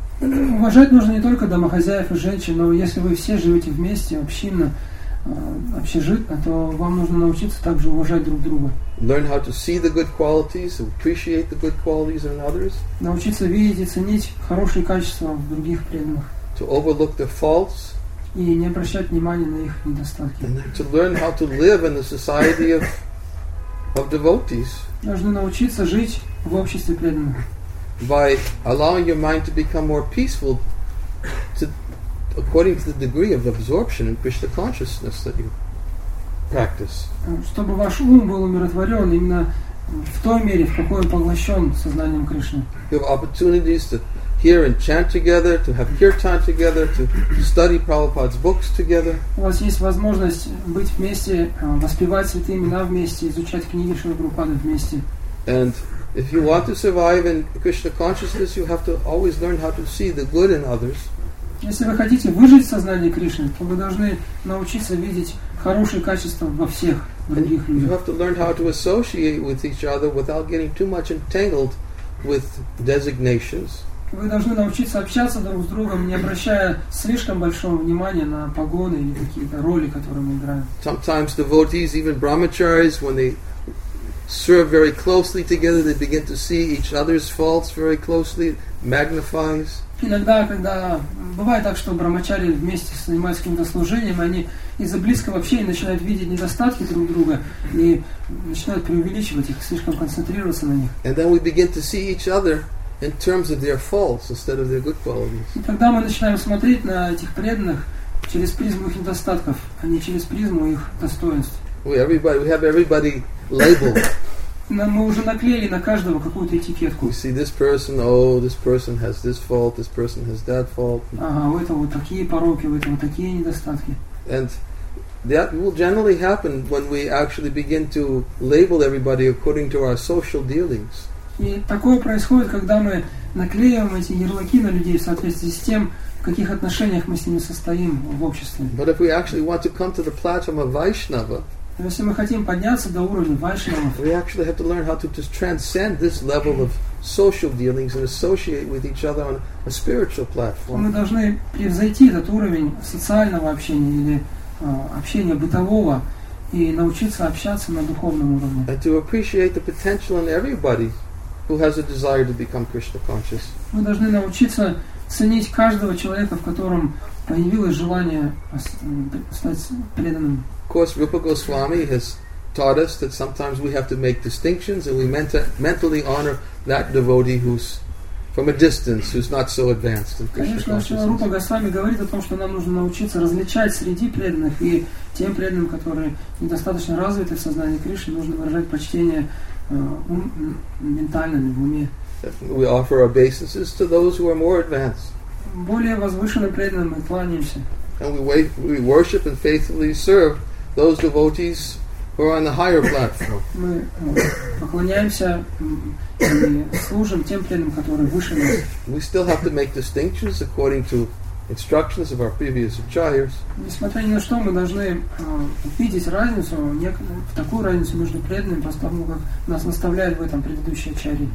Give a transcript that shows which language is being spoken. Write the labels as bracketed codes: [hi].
[ru] Уважать нужно не только домохозяев и женщин, но если вы все живете вместе, общинно, общежитно, то вам нужно научиться также уважать друг друга. [en] Learn how to see the good qualities, appreciate the good qualities in others. [ru] Научиться видеть и ценить хорошие качества в других преданных. [en] To overlook the faults. [ru] И не обращать внимания на их недостатки. [en] And to learn how to live in the society of devotees. [ru] Нужно научиться жить в обществе преданных. [en] By allowing your mind to become more peaceful, to according to the degree of absorption in Krishna consciousness that you practice. [ru] Чтобы ваш ум был умиротворен именно в той мере, в какой он поглощен сознанием Кришны. [en] You have opportunities to hear and chant together, to have kirtan together, to study Prabhupada's books together. [ru] У вас есть возможность быть вместе, воспевать святые имена вместе, изучать книги Шрилы Прабхупады вместе. [en] And if you want to survive in Krishna consciousness, you have to always learn how to see the good in others. [ru] Если вы хотите выжить в сознании Кришны, то вы должны научиться видеть хорошие качества во всех других людях. [en] You have to learn how to associate with each other without getting too much entangled with designations. [ru] Вы должны научиться общаться друг с другом, не обращая слишком большого внимания на погоны или какие-то роли, которые мы играем. [en] Sometimes devotees, even brahmacharis, when they serve very closely together, they begin to see each other's faults very closely, magnifies. [ru] Иногда, когда бывает так, что брахмачари вместе занимаются каким-то служением, они из-за близкого общения начинают видеть недостатки друг друга и начинают преувеличивать их, слишком концентрироваться на них. [en] And then we begin to see each other in terms of their faults instead of their good qualities. [ru] И тогда мы начинаем смотреть на этих преданных через призму их недостатков, а не через призму их достоинств. [en] We have everybody labeled. [ru] Мы уже наклеили на каждого какую-то этикетку. [en] We see this person, oh, this person has this fault, this person has that fault. [ru] Ага, у этого вот такие пороки, у этого такие недостатки. [en] And that will generally happen when we actually begin to label everybody according to our social dealings. [ru] И такое происходит, когда мы наклеиваем эти ярлыки на людей в соответствии с тем, в каких отношениях мы с ними состоим в обществе. [en] But if we actually want to come to the platform of Vaishnava, [ru] если мы хотим подняться до уровня Вайшнавов, [en] we actually have to learn how to just transcend this level of social dealings and associate with each other on a spiritual platform. [ru] Мы должны превзойти этот уровень социального общения или общения бытового и научиться общаться на духовном уровне. [en] And to appreciate the potential in everybody who has a desire to become Krishna conscious. [ru] Мы должны научиться ценить каждого человека, в котором появилось желание стать преданным. [en] Of course, Rupa Goswami has taught us that sometimes we have to make distinctions and we mentally honor that devotee who's from a distance, who's not so advanced in Krishna consciousness. [ru] Рупа Госвами говорит о том, что нам нужно научиться различать среди преданных и тем преданным, которые недостаточно развиты в сознании Кришны, нужно выражать почтение ментально, в уме. [en] We offer our obeisances to those who are more advanced. [ru] Более возвышенным преданным мы кланяемся. [en] And we worship and faithfully serve those devotees who are on the higher platform. [ru] Мы поклоняемся и служим тем преданным, которые выше нас. [en] We still have to make distinctions according to instructions of our previous acharyas. [ru] Несмотря ни на что, мы должны видеть разницу, в такую разницу между преданными, поскольку как нас наставляют в этом предыдущие ачарьи.